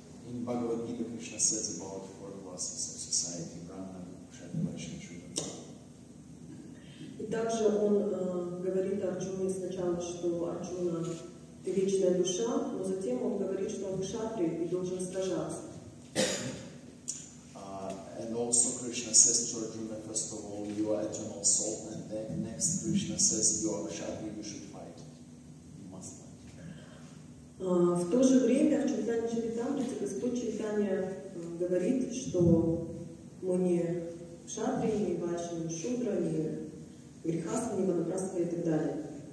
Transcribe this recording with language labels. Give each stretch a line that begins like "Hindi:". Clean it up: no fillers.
English: In Bhagavad Gita, Krishna says about four classes of society: Brahman, Kshatriya, Vaishya, Shudra.
Russian: И также он говорит Арджуне сначала, что Арджуна – ты вечная душа, но затем он говорит, что он кшатри и должен сражаться.
English: And also Krishna says to Arjuna, first of all, you are eternal soul, and then next Krishna says, you are kshatri, you should fight. You must fight.
Russian: В то же время в Чайтанья Чаритамрите Господь Чайтанья говорит, что мы не кшатри, не вайшья, не шудра, не грехастха, не ванапрастха и так далее.